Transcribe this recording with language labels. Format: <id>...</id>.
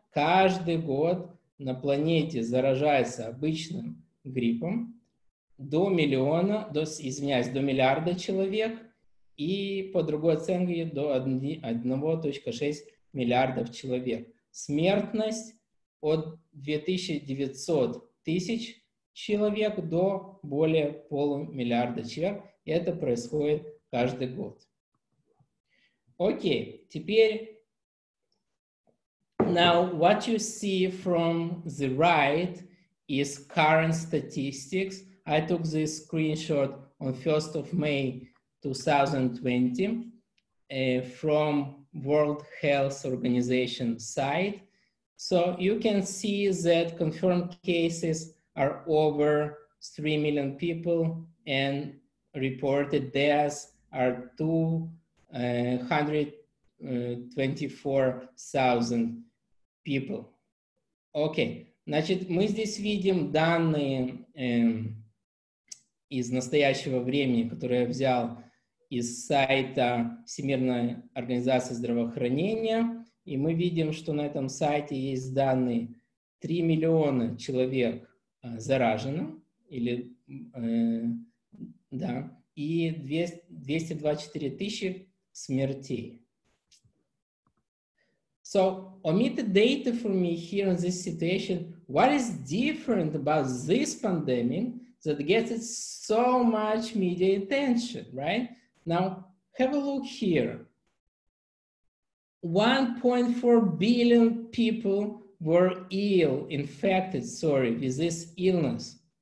<ru>Каждый год на планете заражается обычным гриппом до миллиарда человек и по другой оценке до 1.6 миллиардов человек. Смертность от 2900 тысяч человек до более полумиллиарда человек. И это происходит каждый год. Окей, теперь...</ru> <en>Now, what you see from the right is current statistics. I took this screenshot on 1st of May 2020 from World Health Organization site. So you can see that confirmed cases are over 3 million people and reported deaths are 224,000 people.</en> <ru>Okay, значит, мы здесь видим данные из настоящего времени, которые я взял из сайта Всемирной организации здравоохранения. И мы видим, что на этом сайте есть данные 3 миллиона человек заражено, или, да, и 224 тысячи смертей.</ru> <en>So, omit the data for me here in this situation. What is different about this pandemic that gets it so much media attention, right? Now, have a look here. 1.4 billion people were infected with this illness.</en>